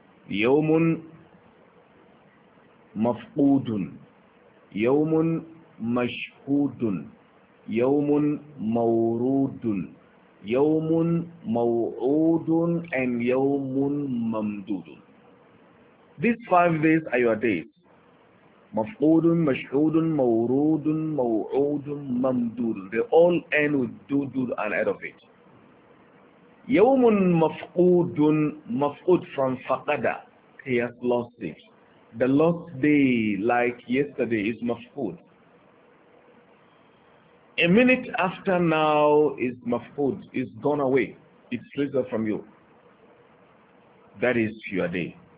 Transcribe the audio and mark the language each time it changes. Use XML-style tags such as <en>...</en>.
<ar>يَوْمٌ مَفْقُودٌ يَوْمٌ مَشْهُودٌ يَوْمٌ مَوْرُودٌ يَوْمٌ مَوْعُودٌ and يَوْمٌ مَمْدُودٌ.</ar> <en>These 5 days are your days.</en> <ar>مَفْقُودٌ مَشْهُودٌ مَوْرُودٌ مَوْعُودٌ مَمْدُودٌ.</ar> <en>They all end with دُودٌ and out of it.</en> <ar>يَوْمٌ مَفْقُودٌ مَفْقُودٌ from فَقَدَ.</ar> <en>He has lost it. The lost day, like yesterday, is mafqud. A minute after now is mafqud. It's gone away. It's slipped from you. That is your day.</en>